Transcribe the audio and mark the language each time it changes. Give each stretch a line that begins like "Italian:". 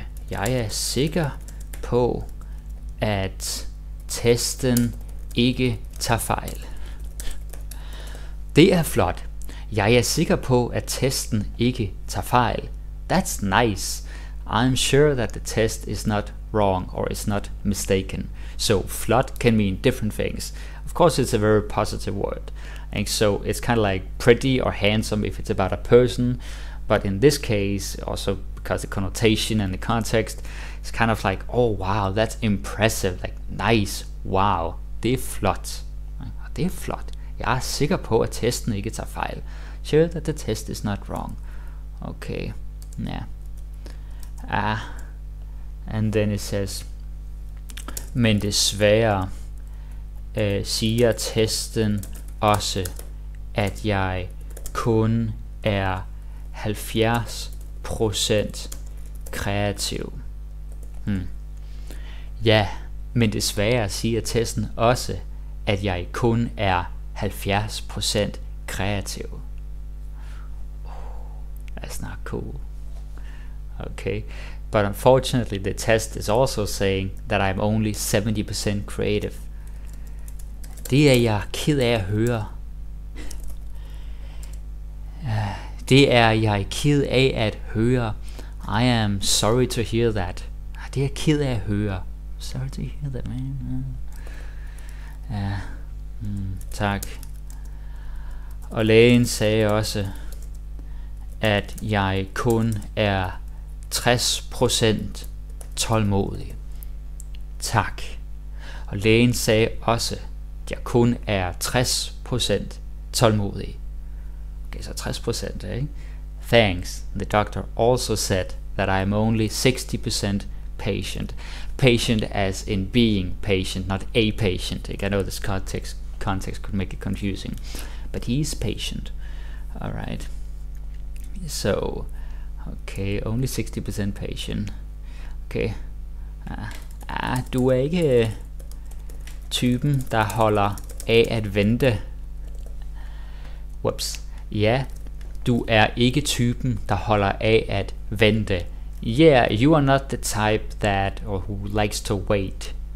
Danish: Jeg er sikker på, at testen ikke tager fejl. Det er flot. Jeg er sikker på, at testen ikke tager fejl.
English: That's nice. I'm sure that the test is not wrong or is not mistaken. So flot can mean different things. Of course, it's a very positive word. And so it's kind of like pretty or handsome if it's about a person. But in this case, also because the connotation and the context, it's kind of like, oh wow, that's impressive, like nice, wow,
Danish: det er flot. Det er flot. Jeg er sikker på, at testen ikke tager fejl.
English: Sure that the test is not wrong. Okay, ja. Yeah. And then it says,
Danish: men desværre siger testen også, at jeg kun er 70% kreativ. Ja, men desværre siger testen også, at jeg kun er 70% kreativ.
English: That's not cool. Okay, but unfortunately the test is also saying that I'm only 70% creative.
Danish: Det er jeg ked af at høre. Det er jeg ked af at høre.
English: I am sorry to hear that.
Danish: Det er ked af at høre.
English: Sorry to hear that, man.
Danish: Tak. Og lægen sagde også, at jeg kun er 60% tålmodig. Tak. Og lægen sagde også, at jeg kun er 60% tålmodig. Okay, så 60%, ikke?
English: Thanks. The doctor also said that I am only 60% patient. Patient as in being patient, not a patient. Like, I know this context could make it confusing. But he is patient. Alright. So, okay, only 60% patient. Okay.
Danish: Du er ikke typen, der holder af at vente. Whoops. Ja, du er ikke typen, der holder af at vente.
English: Yeah, you are not the type that, or who likes to wait.